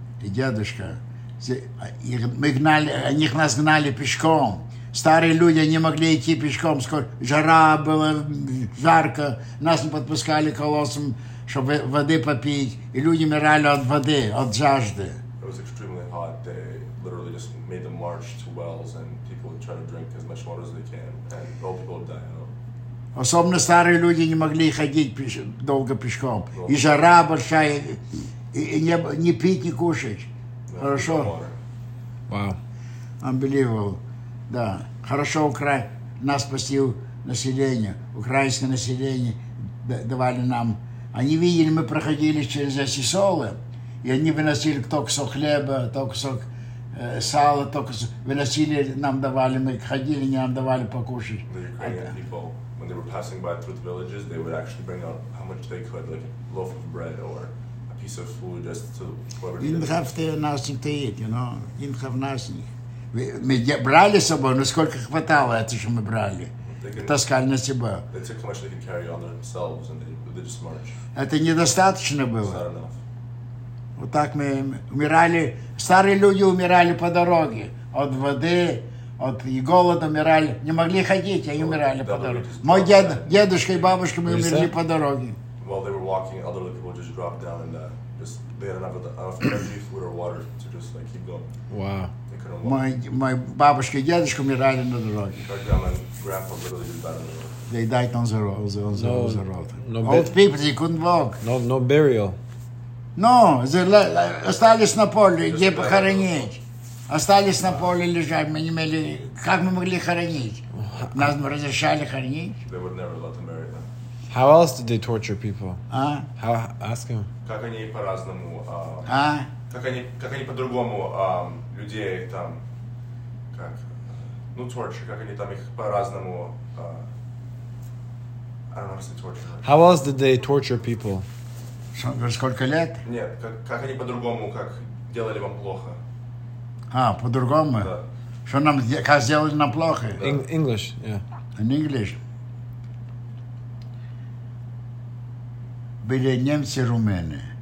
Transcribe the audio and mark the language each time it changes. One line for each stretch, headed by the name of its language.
Russian: И дедушка, они нас гнали пешком. Старые люди не могли идти пешком. Жара была, жарко. Нас не подпускали колоссом, чтобы воды попить. И люди умирали от воды, от жажды.
English: It was extremely hot. They literally just made them march to wells and people would try to drink as much water as they can. And old people would die.
Russian: Особенно старые люди не могли ходить долго пешком. И жара большая... И не пить, не кушать.
English: No,
Russian: хорошо? Вау.
English: Unbelievable.
Russian: Да. Хорошо нас спасти население. Украинское население давали нам. Они видели, мы проходили через эти селы. И они выносили то кусок хлеба, то кусок сала, то кусок... Выносили, нам давали. Мы ходили, не нам давали покушать.
English: The Ukrainian people, when they were passing by through the villages, they would actually bring out how much they could, like a loaf of bread or... piece of food just to whatever you didn't have nothing to eat, you know. Didn't have nothing. We took with us, but
Russian: сколько хватало это, что мы брали. Таскали на себя.
English: They took how much they could carry on themselves and they just marched.
Russian: Это недостаточно было.
English: It's not enough.
Russian: Вот так мы умирали. Старые люди умирали по дороге. От воды, от и голода умирали. Не могли ходить, они умирали по дороге. Мой дедушка и бабушка, мы умерли по дороге.
English: While they were walking, elderly people just dropped down and just they had enough energy, food or water to just like keep going. Wow. They couldn't walk. My
Russian: бабушка и дедушка умирали на дороге.
English: Our grandma and grandpa literally just died on the road. They died on the road. On the road. No, old people, they couldn't walk. No burial.
Russian: No, остались на поле, где похоронить. Остались на поле лежать, мы не имели... Как мы могли хоронить? Нас разрешали хоронить?
English: They would never let them bury them. How else did they torture people? How, ask him.
Russian: Как они по-разному, как они по-другому людей там, как, ну, torture, как они там их по-разному,
English: I don't know, torture. How else did they torture people?
Russian: Сколько лет? Нет, как они по-другому, как делали вам плохо. По-другому? Да. Что нам, как сделали нам плохо?
English: English, yeah. In English.
Russian: Были немцы-румены.